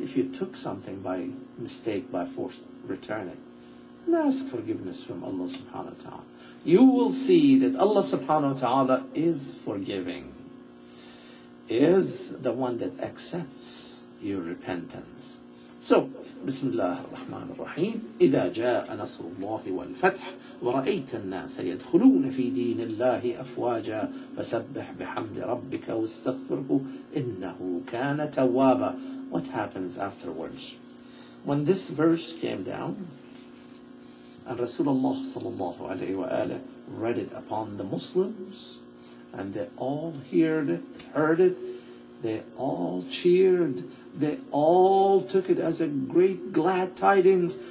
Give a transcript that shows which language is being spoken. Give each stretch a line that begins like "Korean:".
English: If you took something by mistake, by force, return it. And ask forgiveness from Allah subhanahu wa ta'ala. You will see that Allah subhanahu wa ta'ala is forgiving, is the one that accepts your repentance. So, Bismillah ar-Rahman ar-Rahim.
Arabic: إذا جاء نصر الله والفتح ورأيت الناس يدخلون في دين الله أفواجا فسبح بحمد ربك واستغفره إنه كان توابا.
English: What happens afterwards? When this verse came down, and Rasulullah sallallahu alayhi wa alayhi read it upon the Muslims, and they all heard it, They all cheered. They all took it as a great glad tidings.